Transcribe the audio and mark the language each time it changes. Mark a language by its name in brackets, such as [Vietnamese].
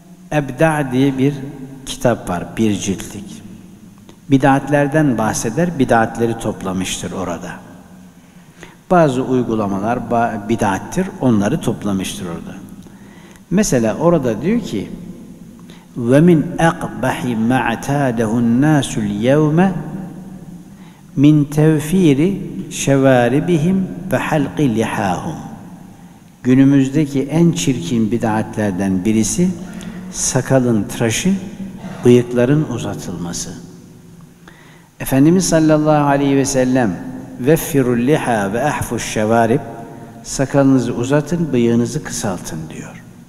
[Turkish] El-Ebda diye bir kitap var, bir ciltlik. Bidaatlerden bahseder, bidaatleri toplamıştır orada. Bazı uygulamalar bidaattir, onları toplamıştır orada. Mesela orada diyor ki, [Arabic] وَمِنْ أَقْبَحِ مَعْتَادَهُ النَّاسُ الْيَوْمَ مِنْ تَوْف۪يرِ شَوَارِبِهِمْ وَحَلْقِ لِحَاهُمْ. [Turkish] Günümüzdeki en çirkin bidaatlerden birisi, sakalın tıraşı, bıyıkların uzatılması. Efendimiz sallallahu aleyhi ve sellem, [Arabic] وَفِّرُ الْلِحَا وَاَحْفُ الشَّوَارِبْ. [Turkish] Sakalınızı uzatın, bıyığınızı kısaltın diyor.